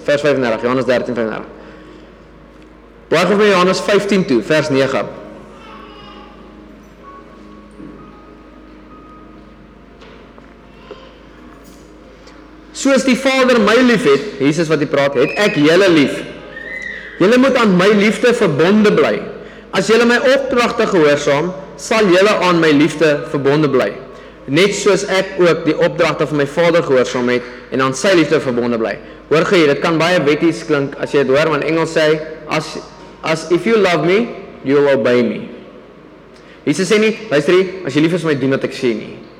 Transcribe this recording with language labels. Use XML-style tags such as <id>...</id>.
<af>Vers 35, Johannes 13, 35. Blaai gou vir Johannes 15 toe, vers 9. Soos die Vader my lief het, Jesus wat hy praat, het ek julle lief. Julle moet aan my liefde verbonde bly. As julle my opdragte gehoorsaam, sal julle aan my liefde verbonde bly. Net soos ek ook die opdragte van my Vader gehoorsaam het en aan sy liefde verbonde bly. Hoor gee, dit kan baie wetties klink as jy dit hoor, want Engels sê</af> <en>as if you love me, you will obey me.</en> <af>Jesus sê nie, luister hier, as jy lief is vir my, doen wat ek sê nie.</af>